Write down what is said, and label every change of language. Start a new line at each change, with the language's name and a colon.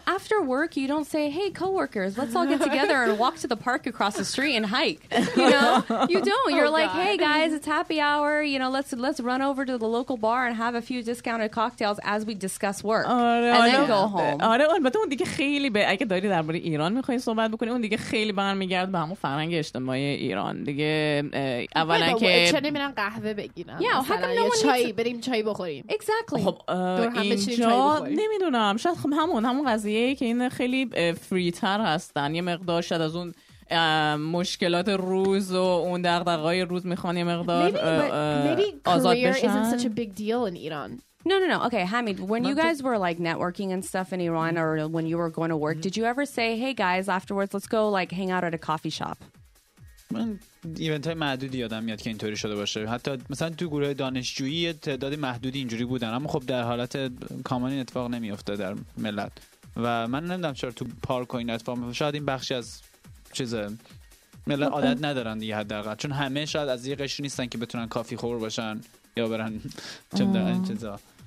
English: After work you don't say hey coworkers let's all get together and walk to the park across the street and hike, you know, you don't. You're like hey guys it's happy hour, you know, let's run over to the local bar and have a few discounted cocktails as we discuss work and then go home.
Persian: آره البته اون دیگه خیلی به اگه داری درباره ایران می‌خوای صحبت بکنی، اون دیگه خیلی برمیگرد به همون فرهنگ اجتماعی ایران دیگه. اولا که چه نمی‌رن قهوه بگیرن،
English: yeah,
Persian: مثلا
English: how come no one
Persian: چای بریم چای بخوریم.
English: Exactly.
Persian: خب اینجا نمیدونم، شاید خب همون قضیه ای که این خیلی فری تر هستن یه مقدار، شاید از اون مشکلات روز و اون دغدغه‌های روز میخوان یه مقدار آزاد بشن.
English: Maybe career isn't such a big deal in Iran. No. Okay, Hamid, when you guys were like networking and stuff in Iran or when you were going to work, did you ever say, hey guys, afterwards, let's go like hang out at a coffee shop?
Persian: من ایونت های محدودی یادم میاد که اینطوری شده باشه. حتی مثلا تو گروه دانشجویی تعداد محدودی اینجوری بودن، اما خب در حالت کامل اتفاق نمیافته در ملت. و من نمیدونم چرا تو پارک و این اتفاق میفته، شاید این بخشی از چیزه ملت عادت ندارن دیگه حداقل، چون همه شاید از یه قشری نیستن که بتونن کافی خور باشن یا برن چه دارن چیزا.